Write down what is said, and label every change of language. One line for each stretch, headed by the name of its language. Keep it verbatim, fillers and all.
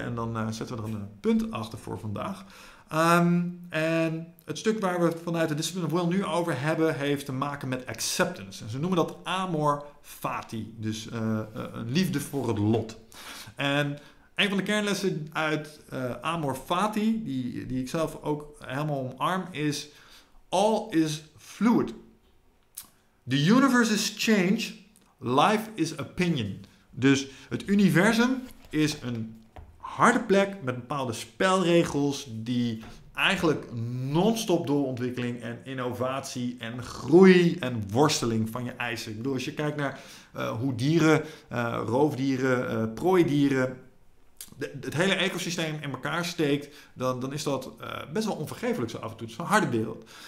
Dutch: En dan uh, zetten we er een punt achter voor vandaag. Um, en het stuk waar we het vanuit de Discipline of Will nu over hebben, heeft te maken met acceptance. En ze noemen dat amor fati, dus uh, een liefde voor het lot. En een van de kernlessen uit uh, amor fati, die, die ik zelf ook helemaal omarm, is
English: all is fluid. The universe is change, life is opinion.
Dutch: Dus het universum is een harde plek met bepaalde spelregels die eigenlijk non-stop door ontwikkeling en innovatie en groei en worsteling van je eisen. Ik bedoel, als je kijkt naar uh, hoe dieren, uh, roofdieren, uh, prooidieren, de, het hele ecosysteem in elkaar steekt, dan, dan is dat uh, best wel onvergeeflijk zo af en toe. Het is een harde wereld.